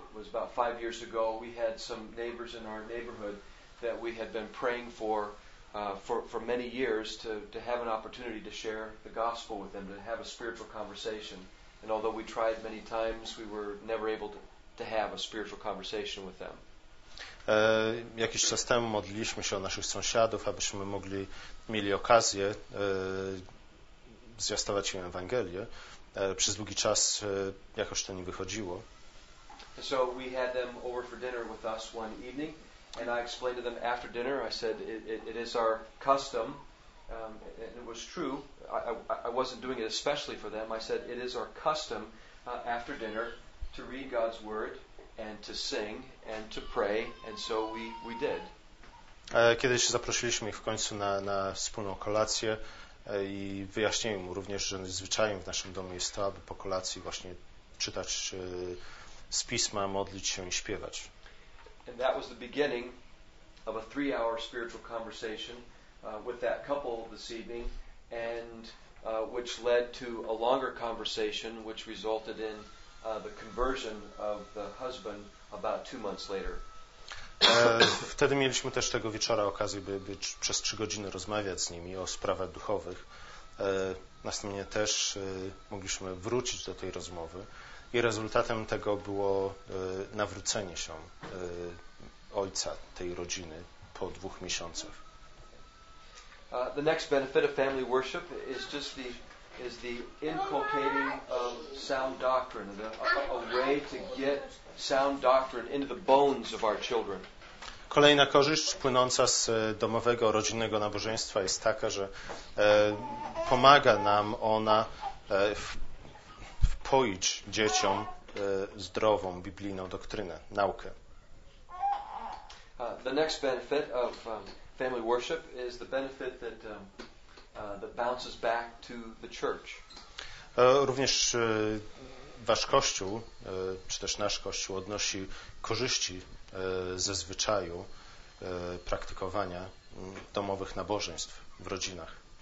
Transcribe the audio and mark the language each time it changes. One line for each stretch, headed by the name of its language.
English: About 5 years ago, we had some neighbors in our neighborhood that we had been praying for many years to have an opportunity to share the gospel with them, to have a spiritual conversation. And although we tried many times, we were never able to have a spiritual conversation with them.
Polish: Jakiś czas temu modliliśmy się o naszych sąsiadów, abyśmy mogli mieli okazję zwiastować im Ewangelię. Przez długi czas jakoś to nie wychodziło.
English: So we had them over for dinner with us one evening. And I explained to them after dinner, I said, it is our custom, and it was true, I wasn't doing it especially for them, I said, it is our custom after dinner to read God's Word and to sing and to pray, and so we did.
Polish: Kiedy się zaprosiliśmy ich w końcu na wspólną kolację i wyjaśniłem mu również, że zwyczajem w naszym domu jest to, aby po kolacji właśnie czytać z Pisma, modlić się i śpiewać.
English: And that was the beginning of a 3-hour spiritual conversation with that couple this evening, and which led to a longer conversation which resulted in the conversion of the husband about 2 months later.
Polish: Wtedy mieliśmy też tego wieczora okazję, by przez 3 godziny rozmawiać z nimi o sprawach duchowych. Następnie też mogliśmy wrócić do tej rozmowy. I rezultatem tego było nawrócenie się ojca tej rodziny po 2 miesiącach.
English: The next benefit of family worship is just the inculcating of sound doctrine, a way to get sound doctrine into the bones of our children.
Polish: Kolejna korzyść płynąca z domowego, rodzinnego nabożeństwa jest taka, że pomaga nam ona poić dzieciom zdrową, biblijną doktrynę, naukę.
English: The next benefit of family worship is the benefit that that bounces back to the church.
Polish: Również wasz kościół, czy też nasz kościół, odnosi korzyści ze zwyczaju praktykowania domowych nabożeństw w rodzinach.